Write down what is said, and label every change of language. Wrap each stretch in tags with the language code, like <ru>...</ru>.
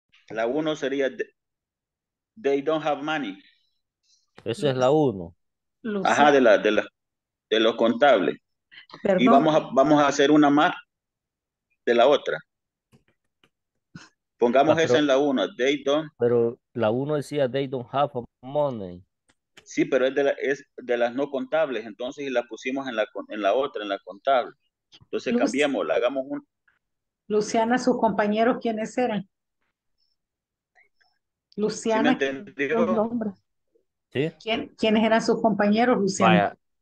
<es>La uno sería</es> <en>they don't have money.</en> <es>Esa es la uno. Lucía. Ajá, de los contables. Perdón. Y vamos a hacer una más de la otra. Pongamos esa en la uno.</es> <en>They don't.</en> <es>Pero la uno decía</es> <en>they don't have money.</en> <es>Sí, pero es de las no contables. Entonces y la pusimos en la otra, en la contable. Entonces cambiamos, la hagamos una. Luciana, sus compañeros, ¿quiénes eran? Luciana, ¿sí me entendió? ¿Sí? ¿Quiénes eran sus compañeros, Luciana? Vaya.</es>